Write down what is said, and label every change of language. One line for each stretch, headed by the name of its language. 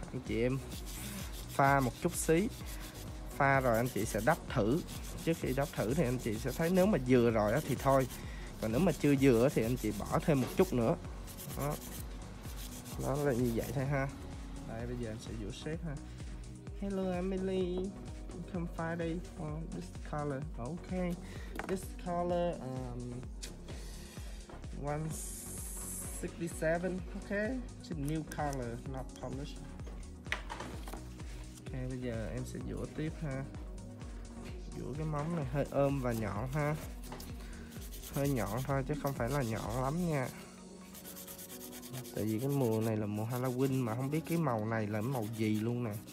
Vietnamese: Anh chị em pha một chút xí, pha rồi anh chị sẽ đắp thử. Trước khi đắp thử thì anh chị sẽ thấy nếu mà vừa rồi thì thôi, còn nếu mà chưa vừa thì anh chị bỏ thêm một chút nữa. Đó, nó là như vậy thôi ha. Đây, bây giờ em sẽ vỗ xếp ha.
English: Hello Emily, come Friday for this color. Ok, this color 167. Ok, it's a new color, not polished.
Vietnamese: Ok, bây giờ em sẽ vỗ tiếp ha. Vỗ cái móng này hơi ôm và nhọn ha, hơi nhọn thôi chứ không phải là nhọn lắm nha, tại vì cái mùa này là mùa Halloween mà không biết cái màu này là màu gì luôn nè.